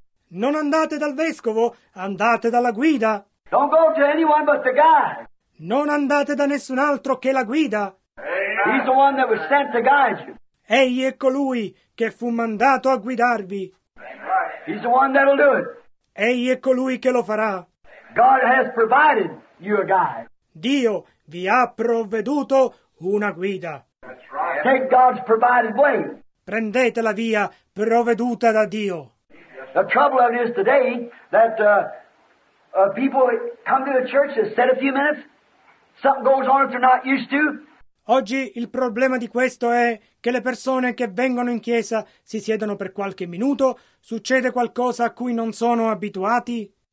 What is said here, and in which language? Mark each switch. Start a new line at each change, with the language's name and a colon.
Italian: Non andate dal vescovo, andate dalla guida.
English: Don't go to anyone but the guide.
Italian: Non andate da nessun altro che la guida.
English: Amen. He's the one that was sent to guide you.
Italian: Egli è colui che fu mandato a guidarvi.
English: He's the one that'll do it.
Italian: Egli è colui che lo farà.
English: God has provided you a guide.
Italian: Dio vi ha provveduto una guida.
English: That's right. Take God's provided way.
Italian: Prendete la via provveduta da Dio.
English: The trouble of it is today that people come to a church and sit a few minutes. Something goes on if they're not used to.
Italian: Oggi il problema di questo è che le persone che vengono in chiesa si siedono per qualche minuto, succede qualcosa a cui non sono abituati.